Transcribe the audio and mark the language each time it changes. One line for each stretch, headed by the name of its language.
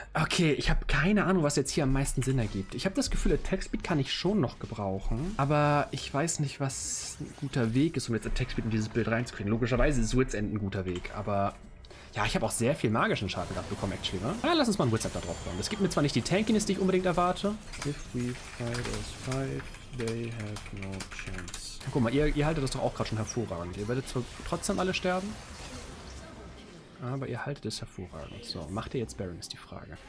German: Okay, ich habe keine Ahnung, was jetzt hier am meisten Sinn ergibt. Ich habe das Gefühl, Attack Speed kann ich schon noch gebrauchen. Aber ich weiß nicht, was ein guter Weg ist, um jetzt Attack Speed in dieses Bild reinzukriegen. Logischerweise ist Wits End ein guter Weg. Aber ja, ich habe auch sehr viel magischen Schaden gerade bekommen, actually, ne? Ja, lass uns mal ein Wits End da drauf bauen. Das gibt mir zwar nicht die Tankiness, die ich unbedingt erwarte.
English: If we fight as five, they have no chance.
German: Guck mal, ihr haltet das doch auch gerade schon hervorragend. Ihr werdet zwar trotzdem alle sterben, aber ihr haltet es hervorragend. So, macht ihr jetzt Baron, ist die Frage.